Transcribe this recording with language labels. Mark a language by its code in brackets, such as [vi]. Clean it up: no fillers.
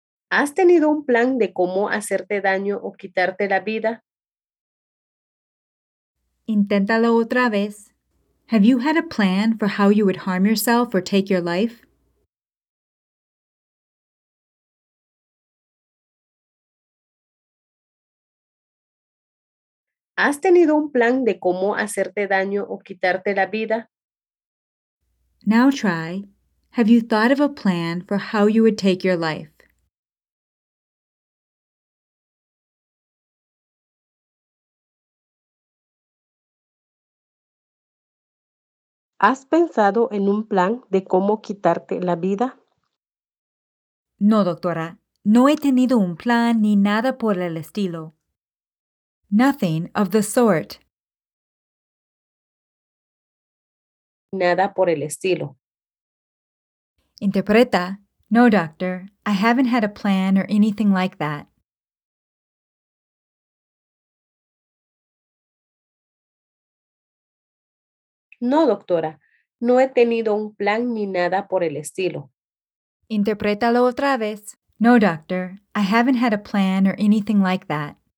[es] ¿Has tenido un plan de cómo hacerte daño o quitarte la vida? Inténtalo otra vez. [en] Have you had a plan for how you would harm yourself or take your life? [es] ¿Has tenido un plan de cómo hacerte daño o quitarte la vida? [en] Now try. Have you thought of a plan for how you would take your life? [es] ¿Has pensado en un plan de cómo quitarte la vida? No, doctora. No he tenido un plan ni nada por el estilo. [en] Nothing of the sort. [es] Nada por el estilo. Interpreta. No, doctor. [en] I haven't had a plan or anything like that. [es] No, doctora. No he tenido un plan ni nada por el estilo. Interprétalo otra vez. No, doctor. [en] I haven't had a plan or anything like that.